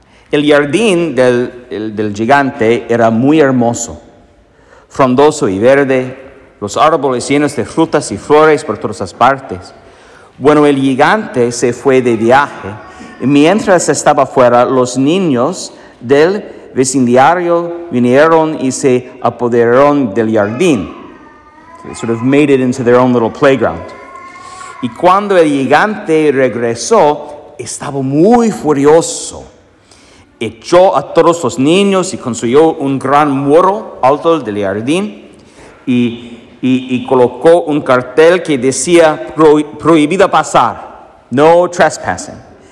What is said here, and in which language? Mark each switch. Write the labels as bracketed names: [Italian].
[Spanish] El jardín del gigante era muy hermoso, frondoso y verde, los árboles llenos de frutas y flores por todas las partes. Bueno, el gigante se fue de viaje, y mientras estaba fuera, los niños del vecindario vinieron y se apoderaron del jardín. [English] They sort of made it into their own little playground. [Spanish] Y cuando el gigante regresó, estaba muy furioso. Echó a todos los niños y construyó un gran muro alto del jardín y colocó un cartel que decía prohibido pasar, [English] no trespassing.